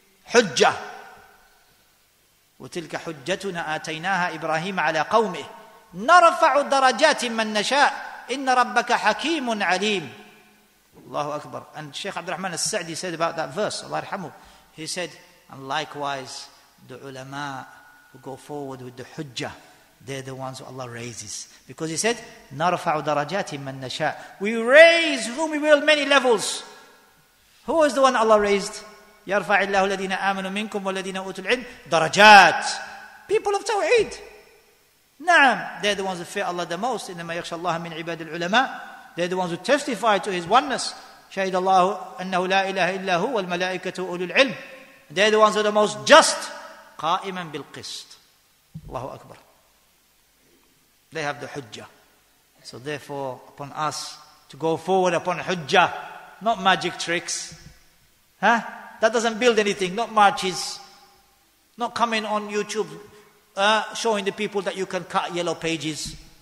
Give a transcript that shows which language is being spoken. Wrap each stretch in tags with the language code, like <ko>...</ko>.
<ar>حُجَّة. وَتِلْكَ حُجَّتُنَا آتَيْنَاهَا إِبْرَاهِيمَ عَلَىٰ قَوْمِهِ نَرَفَعُ دَرَجَاتٍ مَنْ نَشَاءُ إِنَّ رَبَّكَ حَكِيمٌ عَلِيمٌ. Allahu Akbar.</ar> <en>And Shaykh Abdul Rahman al-Sa'di said about that verse, Allah arhamu, he said, and likewise, the ulama who go forward with the hujjah, they're the ones who Allah raises. Because he said,</en> <ar>نَرَفَعُ دَرَجَاتٍ مَنْ نَشَاءُ.</ar> <en>We raise whom we will many levels. Who is the one Allah raised?</en> <ar>يرفع الله الذين آمنوا منكم والذين أوتوا العلم درجات.</ar> <en>People of Tawheed. نعم. They're the ones who fear Allah the most.</en> <ar>إنما يخشى الله من عباد العلماء.</ar> <en>They're the ones who testify to His oneness.</en> <ar>شهد الله أنه لا إله إلا هو والملائكة أولو العلم.</ar> <en>They're the ones who are the most just.</en> <ar>قائما بالقسط. الله أكبر.</ar> <en>They have the hujjah. So therefore, upon us to go forward upon hujjah, not magic tricks. Huh? That doesn't build anything, not marches, not coming on YouTube, showing the people that you can cut yellow pages.</en>